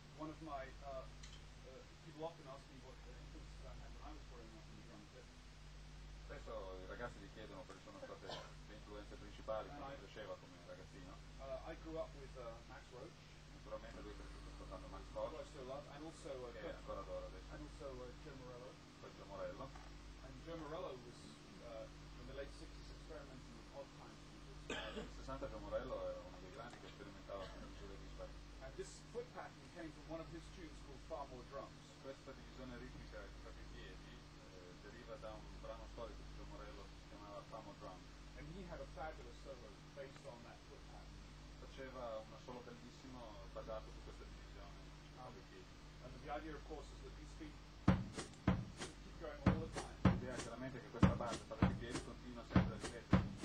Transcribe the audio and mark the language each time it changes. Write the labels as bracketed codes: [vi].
[en] One of my people often ask me what the influences I had when I was growing up in the drum kit. [it] Spesso i ragazzi gli chiedono quali sono state le influenze principali quando cresceva come ragazzino. [en] I grew up with Max Roach. [it] Naturalmente lui è cresciuto ascoltando Max Roach. [en] Who I still love, and also [it] ancora adoro adesso. [en] And also Joe Morello. [it] Poi Joe Morello. [en] And Joe Morello was in the late 60s experimenting with odd kinds of music. [it] '60 Joe Morello era uno dei grandi che sperimentava. [en] This foot pattern came from one of his tunes called Far More Drums. [it] Questa divisione ritmica tra i piedi deriva da un brano storico di Joe Morello che si chiamava Far More Drums. [en] And he had a fabulous solo based on that foot pattern. [it] Faceva un solo bellissimo basato su questa divisione. [en] And the idea, of course, is that these feet keep going all the time. [it] L'idea è chiaramente che questa base tra i piedi continua sempre a ripetere.